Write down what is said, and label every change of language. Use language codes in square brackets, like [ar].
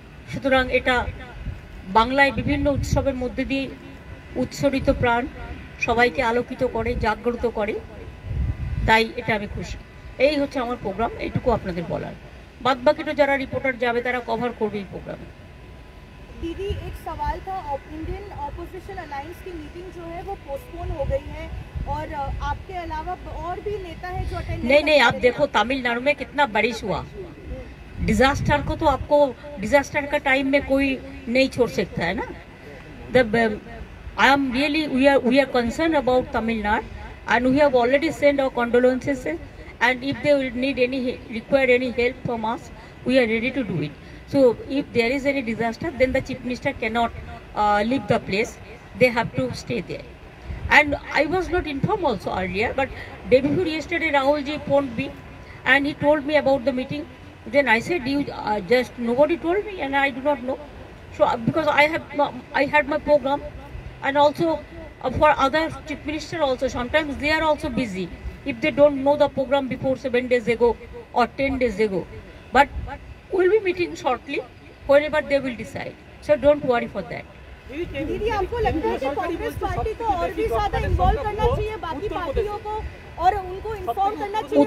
[bn] সুতরাং এটা বাংলায় বিভিন্ন উৎসবের মধ্যে দিয়ে উৎসরিত প্রাণ সবাইকে আলোকিত করে, জাগ্রত করে, তাই এটা আমি খুশি। এই হচ্ছে আমার প্রোগ্রাম, এইটুকু আপনাদের বলার। বাদবাকি তো যারা রিপোর্টার যাবে তারা কভার করবে এই প্রোগ্রাম। [hi] दीदी एक सवाल था, इंडियन ऑपोजिशन अलायंस की मीटिंग जो है वो पोस्टपोन हो गई है, और आपके अलावा और भी नेता है जो अटेंड नहीं नहीं आप देखो तमिलनाडु में कितना बारिश हुआ, डिजास्टर को तो आपको डिजास्टर का टाइम में कोई नहीं छोड़ सकता है ना। [en] I am really we are concern about Tamil Nadu, and we have already send our condolences, and if they need any require any help from us we are ready to do it. So if there is any disaster, then the chief minister cannot leave the place, they have to stay there. And I was not informed also earlier, but day before yesterday Rahul ji phoned me and he told me about the meeting. Then I said, you just nobody told me and I do not know. So because I had my program, and also for other chief minister also, sometimes they are also busy if they don't know the program before 7 days ago or 10 days ago. But we'll be meeting shortly whenever they will decide, so don't worry for that. [hi] दीदी आपको लगता है कि Congress party को और भी ज्यादा involve करना चाहिए बाकी पार्टियों को, और उनको इन्फॉर्म करना चाहिए।